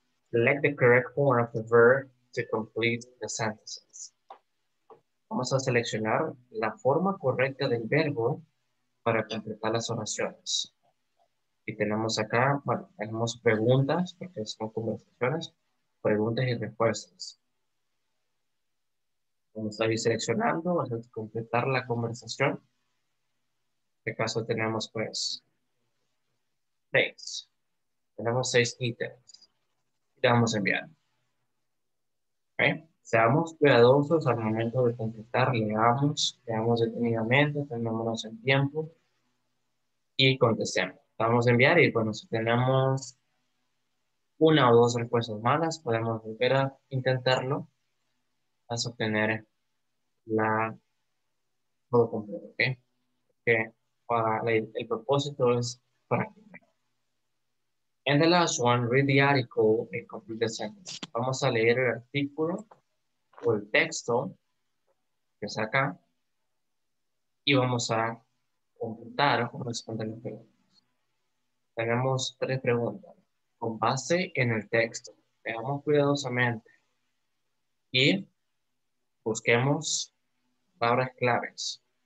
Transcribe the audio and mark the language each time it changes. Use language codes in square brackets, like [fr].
[en] Select the correct form of the verb to complete the sentences. [es] Vamos a seleccionar la forma correcta del verbo para completar las oraciones. Y tenemos acá, bueno, tenemos preguntas, porque son conversaciones, preguntas y respuestas. Vamos a ir seleccionando, vamos a completar la conversación. En este caso tenemos, pues, seis. Tenemos seis ítems. Y le vamos a enviar. ¿Okay? Seamos cuidadosos al momento de completar, leamos detenidamente, tengámonos en tiempo y contestemos. Vamos a enviar y bueno, si tenemos una o dos respuestas malas, podemos volver a intentarlo hasta obtener la todo completo, ¿ok? Porque el propósito es practicar. [en] And the last one, read the article and complete the sentence. [es] Vamos a leer el artículo o el texto que es acá y vamos a completar o responder las preguntas. Tenemos tres preguntas con base en el texto. Veamos cuidadosamente y busquemos palabras claves.